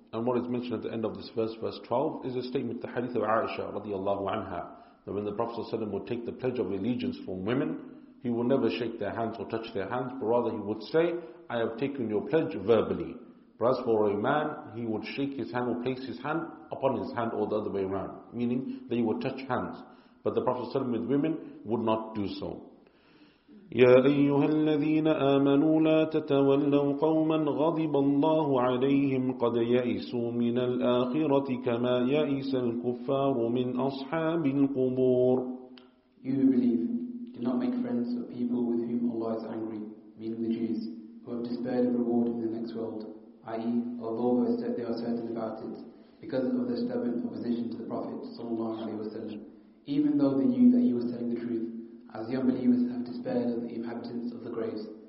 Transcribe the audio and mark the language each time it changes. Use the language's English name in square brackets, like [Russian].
[English] And what is mentioned at the end of this verse, verse 12, is a statement, the hadith of Aisha radiallahu anha, that when the Prophet would take the pledge of allegiance from women, he will never shake their hands or touch their hands, but rather he would say, I have taken your pledge verbally. But as for a man, he would shake his hand or place his hand upon his hand or the other way around, meaning they would touch hands. But the Prophet with women would not do so. [Arabic] يا أيها الذين آمنوا لا تتولوا قوما غضب الله عليهم قد يئسوا من الآخرة كما يئس الكفار من أصحاب القبور. [English] You who believe, do not make friends of people with whom Allah is angry, meaning the Jews, who have despaired of reward in the next world, i.e., although they are certain about it, because of their stubborn opposition to the Prophet ﷺ, even though they knew that he was telling the truth, as the unbelievers have despaired of the inhabitants of the graves.